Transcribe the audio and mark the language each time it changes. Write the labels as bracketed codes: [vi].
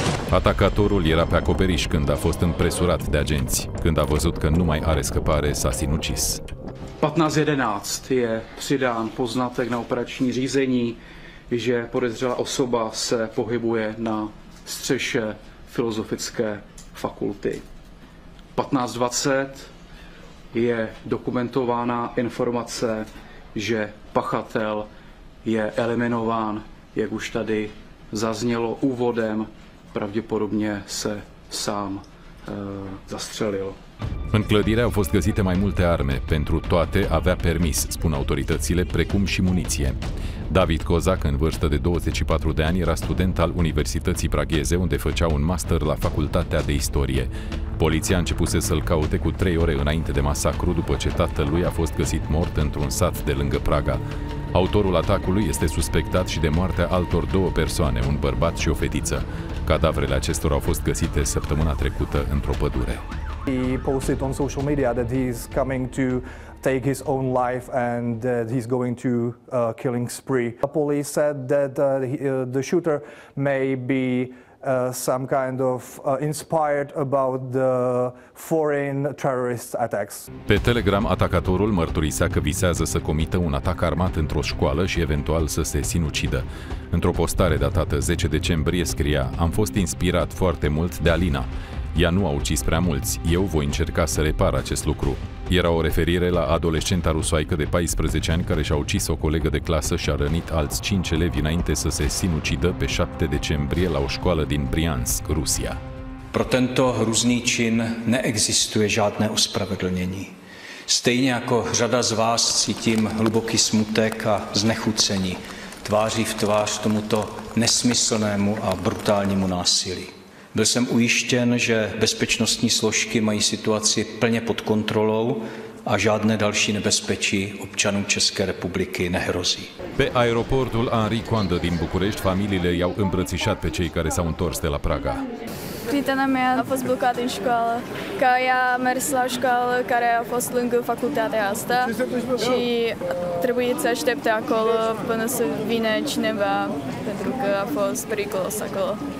[ro] Atacatorul era pe acoperiș când a fost împresurat de agenți. Când a văzut că nu mai are scăpare, s-a sinucis. [cs] 15.11 e přidán poznatek na operační řízení, že podezřelá osoba se pohybuje na střeše filozofické fakulty. 15.20 je dokumentována informace, že pachatel je eliminován, jak už tady zaznělo úvodem, pravděpodobně se sám zastřelil. [ro] În clădire au fost găsite mai multe arme. Pentru toate avea permis, spun autoritățile, precum și muniție. David Kozak, în vârstă de 24 de ani, era student al Universității Pragheze, unde făcea un master la Facultatea de Istorie. Poliția începuse să-l caute cu 3 ore înainte de masacru, după ce tatălui a fost găsit mort într-un sat de lângă Praga. Autorul atacului este suspectat și de moartea altor două persoane, un bărbat și o fetiță. Cadavrele acestor au fost găsite săptămâna trecută într-o pădure. [en] He posted on social media that he's coming to take his own life and that he's going to a killing spree. The police said that the shooter may be some kind of inspired about the foreign terrorist attacks. [ro] Pe Telegram, atacatorul mărturisea că visează să comită un atac armat într-o școală și eventual să se sinucidă. Într-o postare datată 10 decembrie scria: "Am fost inspirat foarte mult de Alina. Ea nu a ucis prea mulți. Eu voi încerca să repar acest lucru." Era o referire la adolescenta rusoaică de 14 ani care și-a ucis o colegă de clasă și a rănit alți 5 elevi înainte să se sinucidă pe 7 decembrie la o școală din Briansk, Rusia. [cs] Pro tento hrůzný čin neexistuje žádné ospravedlnění. Stejně jako řada z vás cítím hluboký smutek a znechucení tváří v tvář tomuto nesmyslnému a brutálnímu násilí. Byl jsem ujištěn, že bezpečnostní složky mají situaci plně pod kontrolou a žádné další nebezpečí občanům České republiky nehrozí. [ro] Pe aeroportul Henri Coandă din București, familiile i-au îmbrățișat pe cei care s-au întors de la Praga. Prietena mea a fost blocată în școală, că ea a mers la școală care a fost lângă facultatea asta și trebuie să aștepte acolo până să vină cineva, pentru că a fost periculos acolo.